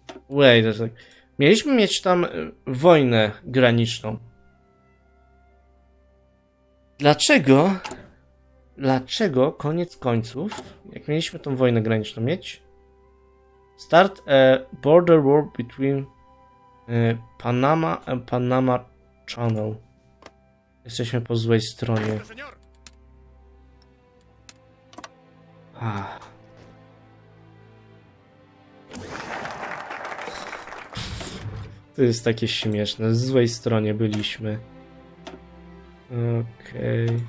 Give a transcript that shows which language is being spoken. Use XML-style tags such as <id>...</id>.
<en>Wait a second.</en> <pl>Mieliśmy mieć tam wojnę graniczną. Dlaczego? Dlaczego koniec końców, jak mieliśmy tą wojnę graniczną mieć?</pl> <en>Start a border war between Panama and Panama Channel.</en> <pl>Jesteśmy po złej stronie. To jest takie śmieszne. Z złej stronie byliśmy. Okej.</pl>